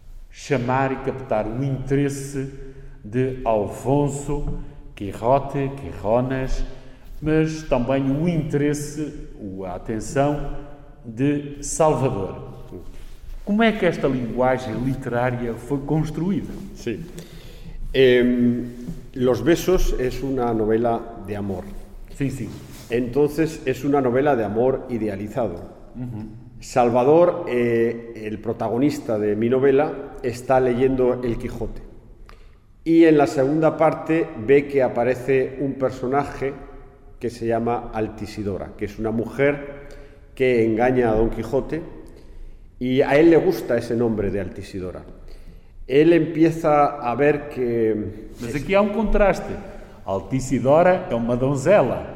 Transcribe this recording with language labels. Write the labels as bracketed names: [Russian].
[Portuguese] chamar e captar o interesse de Alfonso Quirote, Quirones, mas também o interesse, a atenção de Salvador. Como é que esta linguagem literária foi construída? Sim. [Spanish] Los besos es una novela de amor. Sí, sí. Entonces es una novela de amor idealizado. Uh-huh. Salvador, el protagonista de mi novela, está leyendo El Quijote. Y en la segunda parte ve que aparece un personaje que se llama Altisidora, que es una mujer que engaña a Don Quijote, y a él le gusta ese nombre de Altisidora. Él empieza a ver que... [Portuguese] Mas aquí há um contraste. Altisidora é uma donzela.